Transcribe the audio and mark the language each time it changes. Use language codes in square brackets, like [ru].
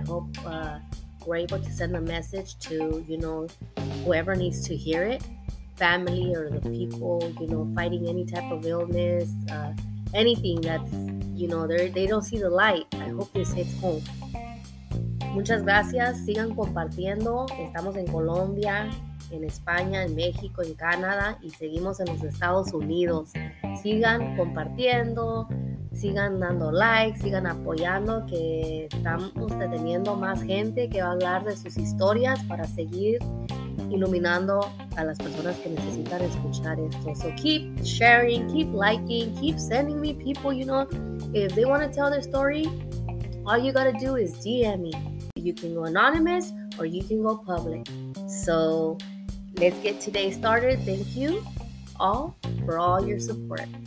[en] I hope we're able to send a message to, you know, whoever needs to hear it. Family or the people, you know, fighting any type of illness, anything that's, you know, they don't see the light. I hope this hits home. [es] Muchas gracias. Sigan compartiendo. Estamos en Colombia, en España, en México, en Canadá, y seguimos en los Estados Unidos. Sigan compartiendo, sigan dando likes, sigan apoyando, que estamos teniendo más gente que va a hablar de sus historias para seguir iluminando a las personas que necesitan escuchar esto. [en] So keep sharing, keep liking, keep sending me people, you know, if they want to tell their story, all you gotta do is DM me. You can go anonymous or you can go public. So let's get today started. Thank you all for all your support.